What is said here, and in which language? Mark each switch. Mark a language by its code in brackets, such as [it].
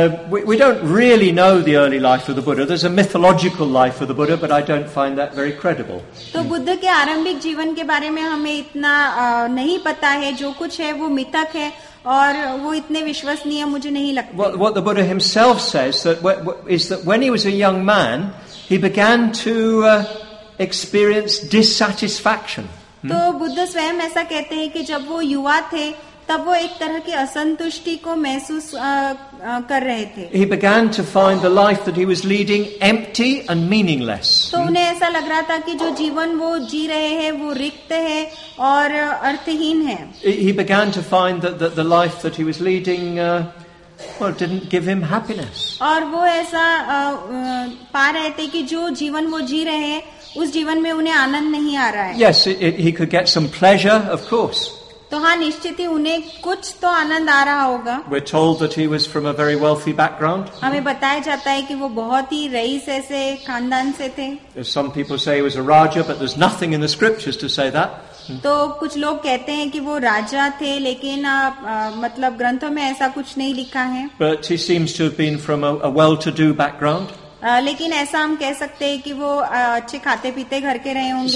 [en] We don't really know the early life of the Buddha. There's a mythological life of the Buddha, but I don't find that very credible. [hi] तो बुद्ध के आरंभिक जीवन के बारे में हमें इतना नहीं पता है. जो कुछ है वो मिथक है और वो इतने विश्वसनीय मुझे नहीं लगते. [en] What the Buddha himself says is that when he was a young man, he began to experience dissatisfaction. [hi] तो बुद्ध स्वयं ऐसा कहते हैं कि जब वो युवा थे तब वो एक तरह की असंतुष्टि को महसूस कर रहे थे. [en] He began to find the life that he was leading empty and meaningless. [hi] तो उन्हें ऐसा लग रहा था कि जो जीवन वो जी रहे हैं वो रिक्त है और अर्थहीन है. [en] He began to find that the life that he was leading well, didn't give him happiness. [hi] और वो ऐसा पा रहे थे कि जो जीवन वो जी रहे हैं उस जीवन में उन्हें आनंद नहीं आ रहा है. [en] Yes, he could get some pleasure, of course. [hi] तो हाँ निश्चित ही उन्हें कुछ तो आनंद आ रहा होगा. [en] We're told that he was from a very wealthy background. [hi] हमें बताया जाता है कि वो बहुत ही रईस ऐसे खानदान से थे. [en] Some people say he was a raja, but there's nothing in the scriptures to say that. [hi] तो कुछ लोग कहते हैं कि वो राजा थे लेकिन मतलब ग्रंथों में ऐसा कुछ नहीं लिखा है. [en] But he seems to have been from a well-to-do background. [hi] लेकिन ऐसा हम कह सकते हैं कि वो अच्छे खाते पीते घर के रहे होंगे.